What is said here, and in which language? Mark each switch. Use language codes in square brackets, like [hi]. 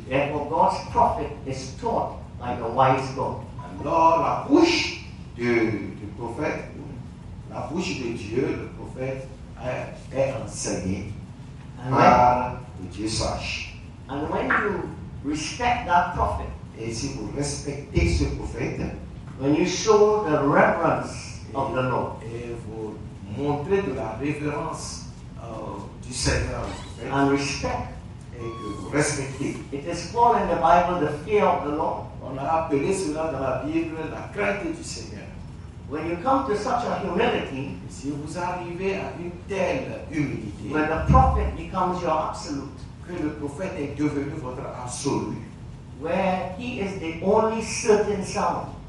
[en] Therefore, God's prophet is taught by the wise God. [fr] Alors, la bouche du prophète, la bouche de Dieu, le prophète, est enseignée [en] and [fr] par [en] when, [fr] le Dieu sage. [en] And when you respect that prophet, [fr] et si vous respectez ce prophète, [en] when you show the reverence of the Lord. [fr] Et vous montrez de la révérence du Seigneur. [en] Right? And respect. [fr] Et que vous respectez. [en] It is called in the Bible the fear of the Lord. [fr] On a appelé cela dans la Bible la crainte du Seigneur. [en] When you come to such a humility, [fr] et si vous arrivez à une telle humilité, [en] when the prophet becomes your absolute, [fr] que le prophète est devenu votre absolu, [en] where he is the only certain sound.